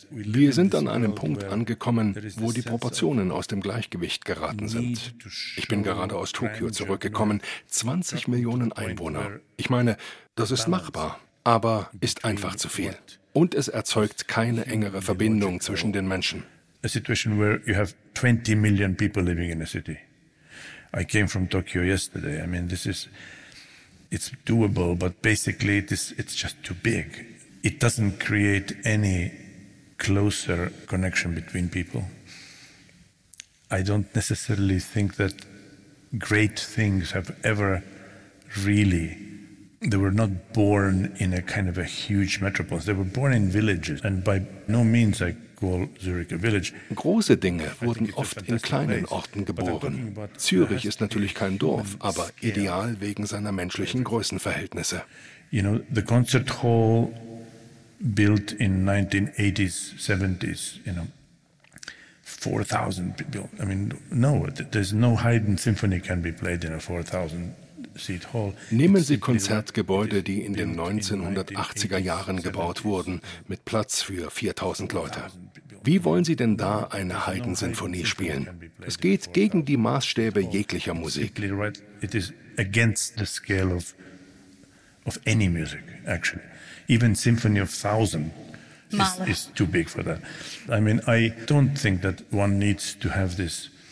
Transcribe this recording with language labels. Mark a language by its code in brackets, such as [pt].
[de] Wir sind an einem Punkt angekommen, wo die Proportionen aus dem Gleichgewicht geraten sind. Ich bin gerade aus Tokio zurückgekommen. 20 Millionen Einwohner. Ich meine, das ist machbar, aber ist einfach zu viel. Und es erzeugt keine engere Verbindung zwischen den Menschen. [en] A situation where you have 20 million people living in a city. I came from Tokyo yesterday. I mean, this is, it's doable, but basically it's just too big. It doesn't create any closer connection between people. I don't necessarily think that great things have ever really, they were not born in a kind of a huge metropolis. They were born in villages, and by no means I call Zurich a village. [de] Große Dinge wurden oft in kleinen Orten geboren. Zürich ist natürlich kein Dorf, aber ideal wegen seiner menschlichen Größenverhältnisse. [en] You know, the concert hall built in 1980s, 70s, you know, 4,000 people. I mean, no, there's no Haydn symphony can be played in a 4,000. [de] Nehmen Sie Konzertgebäude, die in den 1980er Jahren gebaut wurden, mit Platz für 4000 Leute. Wie wollen Sie denn da eine Haydn-Sinfonie spielen? Es geht gegen die Maßstäbe jeglicher Musik. [en] It is against the scale of any music, actually. Even symphony of 1000 is too big for that. I mean, I don't think that one needs to have this.